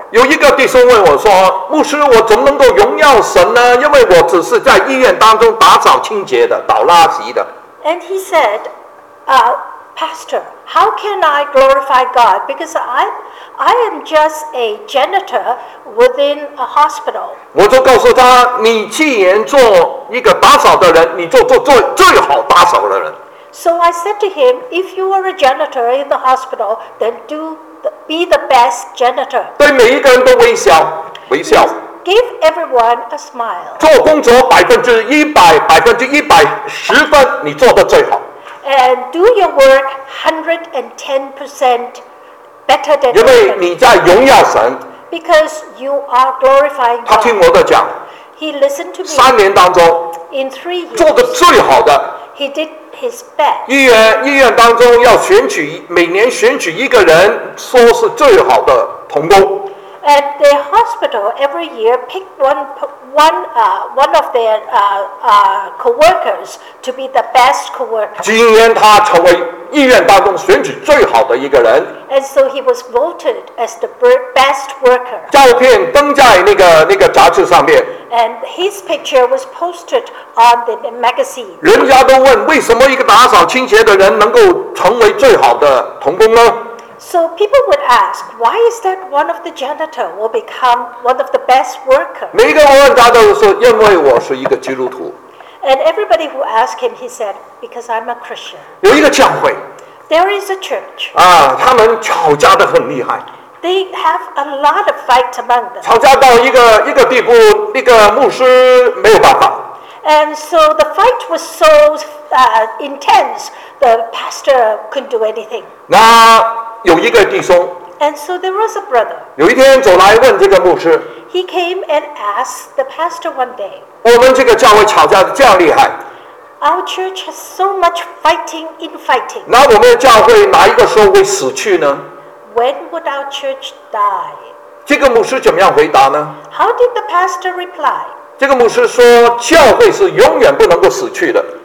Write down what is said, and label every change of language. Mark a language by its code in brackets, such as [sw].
[zh] 有一个弟兄问我说：“牧师，我怎么能够荣耀神呢？因为我只是在医院当中打扫清洁的，倒垃圾的。” [en] And he said, Pastor, how can I glorify God? Because I am just a janitor within a hospital. [zh] 我就告诉他，你既然做一个打扫的人，你就做最好打扫的人。 [en] So I said to him, if you are a janitor in the hospital, then be the best janitor. [zh] 对每一个人都微笑，微笑。 [en] Give everyone a smile. [zh] 做工作100%，110%，你做的最好。 [en] And do your work 110% better than. [zh] 因为你在荣耀神。 [en] Because you are glorifying God. [zh] 他听我的讲。 [en] He listened to me. [zh] 三年当中。 [en] In 3 years. [zh] 做的最好的。 [en] He did his best. [zh] 医院当中要选举，每年选举一个人，说是最好的同工。 [en] At the hospital, every year pick one of their coworkers to be the best coworker. [zh] 今年他成为医院当中选举最好的一个人。 [en] And so he was voted as the best worker. [zh] 照片登在那个杂志上面。 [en] And his picture was posted on the magazine. [zh] 人家都问为什么一个打扫清洁的人能够成为最好的同工呢？ [en] So people would ask, why is that one of the janitor will become one of the best worker? [zh] 每个人问他都说，因为我是一个基督徒。 [en] And everybody who asked him, he said, because I'm a Christian. [zh] 有一个教会。 [en] There is a church. [zh] 啊，他们吵架得很厉害。 [en] They have a lot of fight among them. [zh] 吵架到一个地步，那个牧师没有办法。 [en] And so the fight was so intense, the pastor couldn't do anything. [zh] 那有一个弟兄。 [en] And so there was a brother. [zh] 有一天走来问这个牧师。 [en] He came and asked the pastor one day. [zh] 我们这个教会吵架这样厉害。 [en] Our church has so much fighting in fighting. [zh] 那我们教会哪一个时候会死去呢？ [en] When would our church die? [zh] 这个牧师怎么样回答呢？ [en] How did the pastor reply? [zh] 这个牧师说，教会是永远不能够死去的。